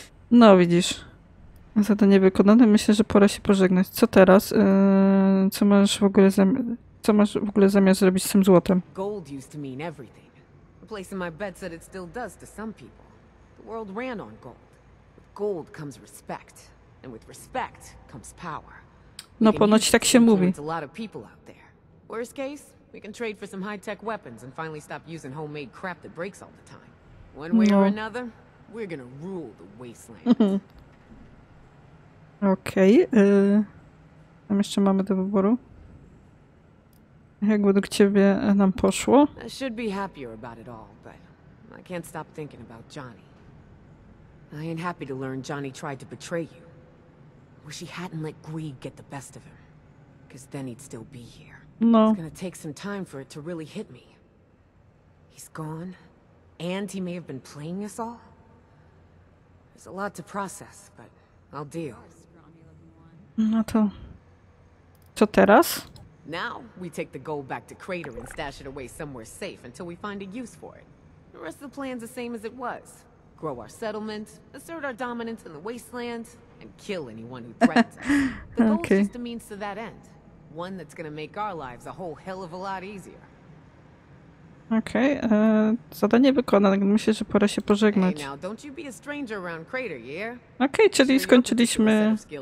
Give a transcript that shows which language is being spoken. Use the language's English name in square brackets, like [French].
[Polish] No widzisz. Zadanie wykonane. Myślę, że pora się pożegnać. Co teraz? Co masz w ogóle zamiar zrobić z tym złotem? [English] Gold used to mean everything. The place in my bed said it still does to some people. The world ran on gold. With gold comes respect, and with respect comes power. [Polish] No ponoć tak się mówi. [English] A lot of people out there. Worst case, we can trade for some high-tech weapons and finally stop using homemade crap that breaks all the time. One way or another, we're gonna rule the wasteland. [Polish] Okej, tam jeszcze mamy do wyboru. Jak według ciebie nam poszło? [English] I should be happier about it all, but I can't stop thinking about Johnny. I ain't happy to learn Johnny tried to betray you. Wish he hadn't let greed get the best of him, because then he'd still be here. [Polish] No. [English] It's gonna take some time for it to really hit me. He's gone, and he may have been playing us all. There's a lot to process, but I'll deal. [Polish] No to... Co teraz? [English] Now we take the gold back to Crater and stash it away somewhere safe until we find a use for it. The rest of the plan's the same as it was. Grow our settlement, assert our dominance in the wasteland, and kill anyone who threatens us. The gold's okay. Just a means to that end. One that's gonna make our lives a whole hell of a lot easier. [Polish] Okej, okay, zadanie wykonane. Myślę, że pora się pożegnać. Okej, okay, czyli skończyliśmy.